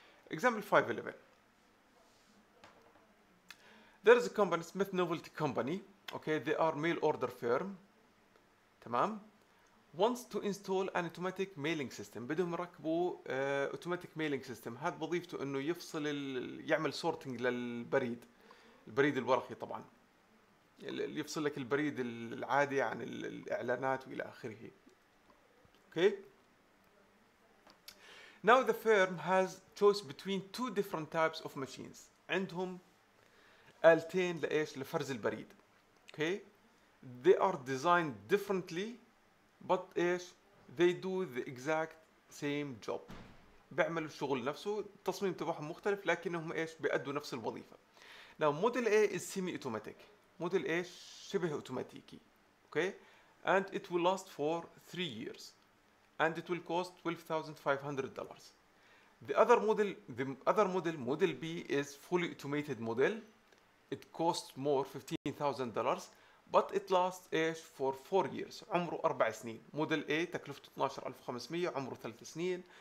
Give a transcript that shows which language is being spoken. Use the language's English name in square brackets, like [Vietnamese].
[English] Example 511. There is a company, Smith Novelty Company, okay, they are mail order firm, tamam, wants to install an automatic mailing system. [Arabic] بدهم يركبوا [English] automatic mailing system. [Arabic] هاد وظيفته انه يفصل يعمل sorting للبريد. البريد الورقي طبعا. اللي يفصل لك البريد العادي عن الاعلانات والى اخره. [English] Okay. Now the firm has choice between two different types of machines. [Arabic] عندهم آلتين لإيش؟ لفرز البريد. [English] Okay. They are designed differently, but they do the exact same job. [Arabic] بيعملوا الشغل نفسه، التصميم تبعهم مختلف لكنهم بيأدوا نفس الوظيفة. [English] Now model A is semi-automatic. Model A [Arabic] شبه أوتوماتيكي. [English] Okay. And it will last for 3 years. And it will cost $12,500. The other model, model B, is fully automated model. It costs more, $15,000, But it lasts ايش for 4 years [Arabic] عمره 4 سنين. موديل A تكلفته 12500 عمره 3 سنين.